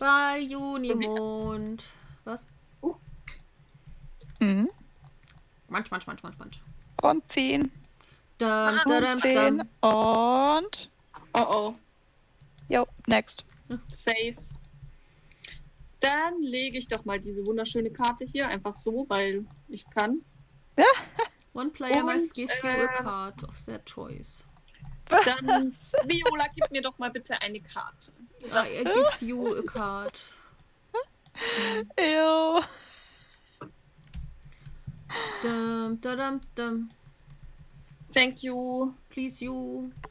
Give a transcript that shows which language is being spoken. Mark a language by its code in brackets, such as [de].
[de] Bye, Junimond. Was? Munch, munch, munch, munch, munch. Und 10. Da, da, da, da. Und. Oh, oh. [en] Jo, next. Safe. [de] Dann lege ich doch mal diese wunderschöne Karte hier einfach so, weil ich es kann. Ja. [en] One player must give you a card of their choice. [de] Dann, Viola, gib mir doch mal bitte eine Karte. [en] Er gives you a card. Ew. Dum, da, dum, dum. Thank you. Please you.